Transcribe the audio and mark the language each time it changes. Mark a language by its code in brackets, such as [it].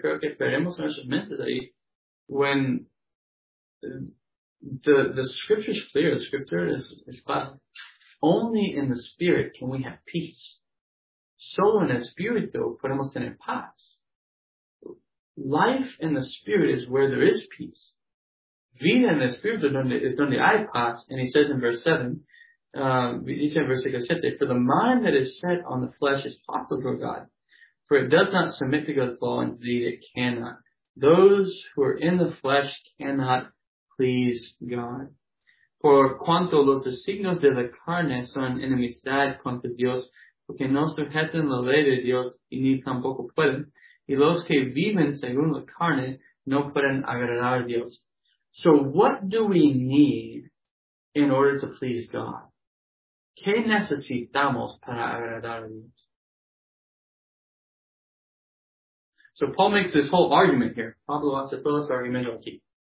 [es] Creo que perdemos nuestras mentes ahí. [en] When the scripture is clear. The scripture is clear. Only in the spirit can we have peace. [es] Solo en el espíritu podemos tener paz. [en] Life in the spirit is where there is peace. [es] Vida en el espíritu es donde hay paz. [en] And he says in verse 7, [es] dice en versículo 7, [en] for the mind that is set on the flesh is hostile to God. For it does not submit to God's law, indeed it cannot. Those who are in the flesh cannot please God. [es] Por cuanto los designios de la carne son enemistad contra Dios, porque no sujetan la ley de Dios y ni tampoco pueden, y los que viven según la carne no pueden agradar a Dios. [en] So what do we need in order to please God? [es] ¿Qué necesitamos para agradar a Dios? [en] So Paul makes this whole argument here. [es] Pablo hace todo este argumento aquí.